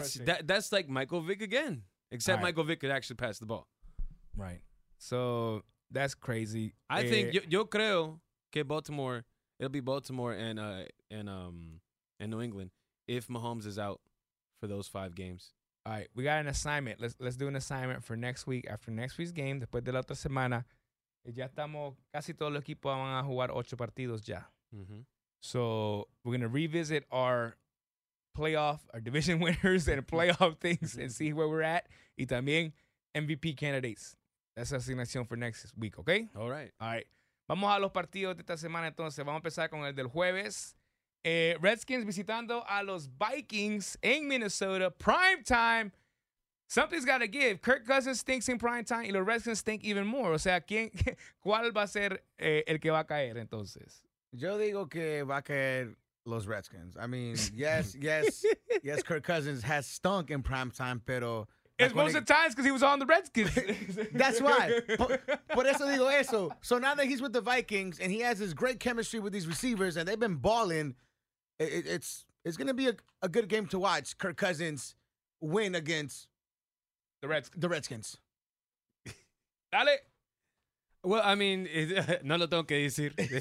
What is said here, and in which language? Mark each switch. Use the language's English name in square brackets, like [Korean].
[English] frustrating. That's like Michael Vick again, except right. Michael Vick could actually pass the ball. Right. So that's crazy. I think [Spanish] yo creo que [English] Baltimore, it'll be Baltimore and New England if Mahomes is out for those five games. All right, we got an assignment. Let's do an assignment for next week after next week's game. [Spanish] Después de la otra semana, ya estamos casi todos los equipos van a jugar ocho partidos ya. Mm-hmm. [English] So we're gonna revisit our division winners and playoff things and see where we're at. [Spanish] Y también [English] MVP candidates. That's the assignation for next week, okay? All right. All right. [Spanish] Vamos a los partidos de esta semana, entonces. Vamos a empezar con el del jueves. Redskins visitando a los Vikings en Minnesota. [English] Prime time. Something's got to give. Kirk Cousins stinks in prime time [Spanish] y los Redskins [English] stink even more. [Spanish] O sea, ¿cuál va a ser el que va a caer, entonces? Yo digo que va a caer los Redskins. [English] I mean, yes, Kirk Cousins has stunk in prime time, [Spanish] pero... [English] It's like most of the times because he was on the Redskins. That's why. [Spanish] Por eso digo eso. [English] So now that he's with the Vikings and he has this great chemistry with these receivers and they've been balling, it's going to be a good game to watch Kirk Cousins win against the Redskins. [Spanish] Dale. [English] Well, I mean, [Spanish] no lo tengo que decir.